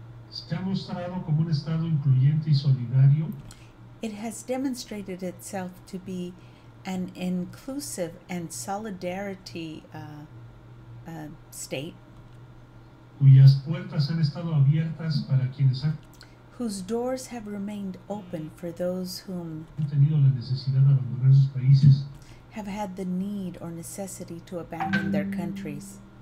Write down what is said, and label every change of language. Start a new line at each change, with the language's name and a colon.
Spanish: Se ha mostrado como un estado incluyente y solidario.
English: It has demonstrated itself to be an inclusive and solidarity state.
Spanish: Cuyas puertas han estado abiertas para quienes han.
English: Whose doors have remained open for those whom.
Spanish: Han tenido la necesidad de abandonar sus países.
English: Have had the need or necessity to abandon their countries.